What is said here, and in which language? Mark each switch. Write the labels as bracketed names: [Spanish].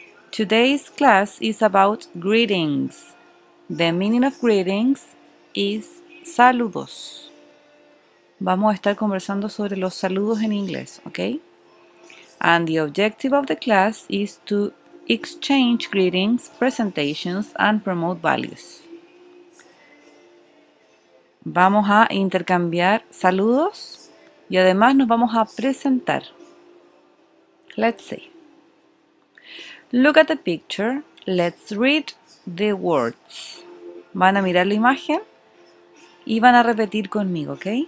[English] Today's class is about greetings. The meaning of greetings is saludos. [Spanish] Vamos a estar conversando sobre los saludos en inglés, ¿ok? [English] And the objective of the class is to exchange greetings, presentations, and promote values. [Spanish] Vamos a intercambiar saludos y además nos vamos a presentar. [English] Let's see. Look at the picture. Let's read the words. [Spanish] Van a mirar la imagen y van a repetir conmigo, ¿ok?